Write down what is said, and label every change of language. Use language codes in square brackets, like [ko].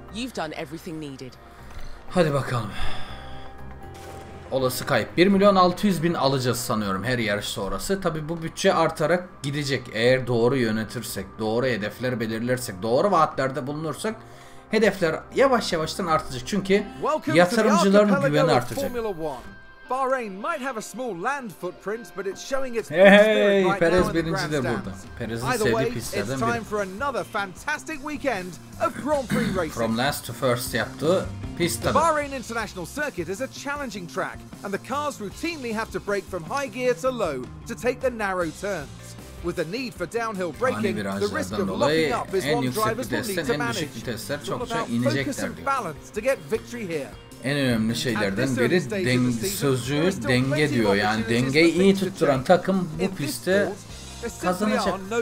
[en] You've done everything needed. [tr] Hadi bakalım. Olası kayıp. 1 milyon 600 bin alacağız sanıyorum her yarış sonrası. Tabii bu bütçe artarak gidecek. Eğer doğru yönetirsek, doğru hedefler belirlersek, doğru vaatlerde bulunursak hedefler yavaş yavaştan artacak. Çünkü yatırımcıların güveni artacak. [en] Bahrain might have a small land footprint, but it's showing its hey, [tr] Perez birinci de burada. Perez'in sevdiği pistlerden biri. [en] For another fantastic weekend of Grand Prix racing. From last to first [tr] yaptı. Pist tabii. [en] Bahrain International Circuit is a challenging track and the cars routinely have to brake from high gear to low to take the narrow turns. With the need for downhill braking, the risk of locking up is one driver's will need to manage. It's all about focus and balance to get victory here. [tr] En önemli şeylerden biri sözcüğü denge diyor. Yani dengeyi iyi tutturan takım bu pistte kazanacak.